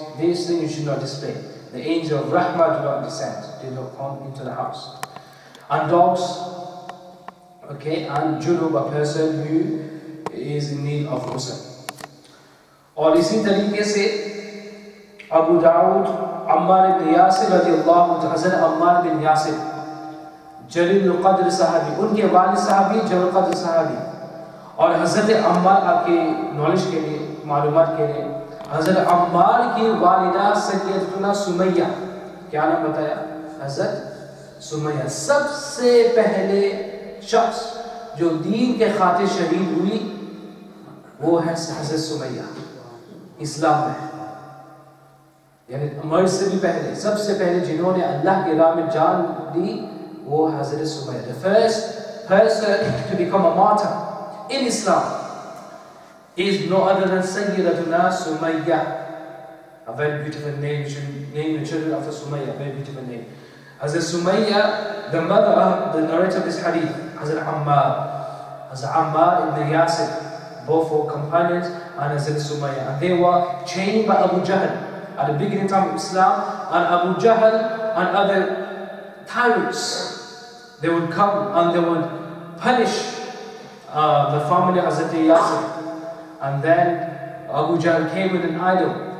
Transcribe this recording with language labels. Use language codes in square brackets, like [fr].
[en] These things you should not display. The angel of Rahmah do not descend, do not come into the house. And dogs, okay, and junub, a person who is in need of ghusl. [ur] اور اسی طریقے سے ابو داؤد عمار بن یاسر رضی اللہ عنہ حضرت عمار بن یاسر جلیل القدر صحابی ان کے والد صحابی جلیل القدر صحابی اور حضرت عمار آپ کے نالج کے لیے معلومات کے لیے حضرت عمار کی والدہ سیدتنا سمیہ کیا نام بتایا حضرت سمیہ سب سے پہلے شخص جو دین کے خاطر شہید ہوئی وہ ہے حضرت سمیہ اسلام میں یعنی مرد سے بھی پہلے سب سے پہلے جنہوں نے اللہ کے راہ میں جان دی وہ حضرت Sumaiya [en] the first person to become a martyr in Islam is no other than [ur] سیدتنا Sumaiya [en] a very beautiful name you should name the children after Sumayyah very beautiful name Hazrat Sumayyah the mother of the narrator of this hadith Hazrat Ammar ibn Yasir both were companions and Hazrat Sumayyah and they were chained by Abu Jahl at the beginning time of Islam and Abu Jahl and other tyrants they would come and they would punish the family of Hazrat Yasir and then Abu Jahl came with an idol